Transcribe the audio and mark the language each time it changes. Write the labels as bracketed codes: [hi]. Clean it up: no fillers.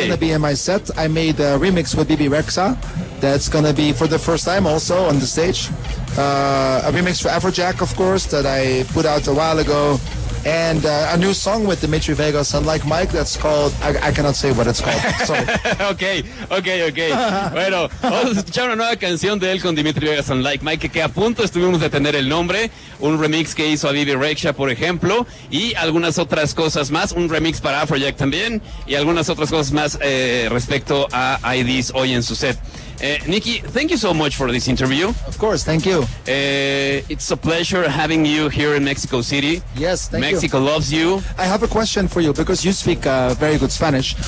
[en] It's gonna be in my set. I made a remix with Bibi Rexha. That's gonna be for the first time also on the stage. A remix for Afrojack, of course, that I put out a while ago. And a new song with Dimitri Vegas and Like Mike that's called, I cannot say what it's called, sorry. okay. [es] Bueno, vamos a escuchar una nueva canción de él con Dimitri Vegas and Like Mike, que a punto estuvimos de tener el nombre, un remix que hizo a Bibi Rexha, por ejemplo, y algunas otras cosas más, un remix para Afrojack también, y algunas otras cosas más respecto a IDs hoy en su set. [en] Nikki, thank you so much for this interview. Of course, thank you. It's a pleasure having you here in Mexico City. Yes, thank Mexico you. Mexico loves you. I have a question for you, because you speak very good Spanish.